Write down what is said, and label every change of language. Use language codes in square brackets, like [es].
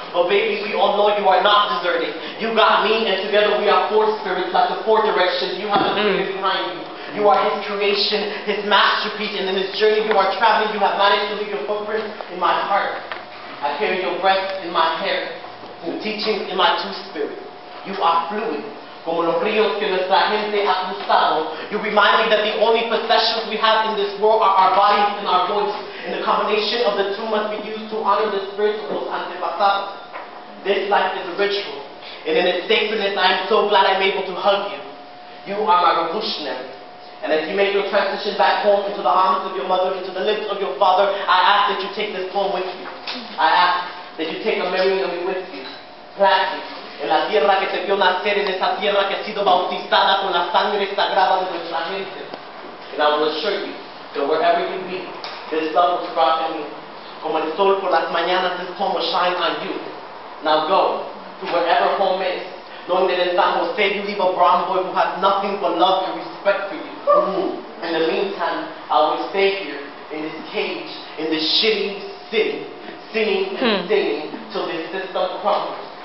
[en] But baby, we all know you are not deserting. You got me, and together we are four spirits, like the four directions. You have a spirit behind you. You are his creation, his masterpiece, and in this journey you are traveling, you have managed to leave your footprint in my heart. I carry your breath in my hair, your teachings in my two spirits. You are fluid. [es] Como los ríos que nuestra gente ha cruzado. [en] You remind me that the only possessions we have in this world are our bodies and our voice. And the combination of the two must be used to honor the spirits of those antepasados. This life is a ritual. And in its sacredness, I am so glad I'm able to hug you. You are my revolutionary. And as you make your transition back home into the arms of your mother, into the lips of your father, I ask that you take this poem with you. I ask that you take a memory of me with you. Plant it. [es] En la tierra que te vio nacer, en esa tierra que ha sido bautizada con la sangre sagrada de nuestra gente. [en] And I will assure you that wherever you be, this love will sprout in you. [es] Como el sol por las mañanas, [en] this poem will shine on you. Now go to wherever home is, knowing that in San Jose you leave a brown boy who has nothing but love and respect for you. In the meantime, I will stay here in this cage, in this shitty city, singing and singing till this system crumbles.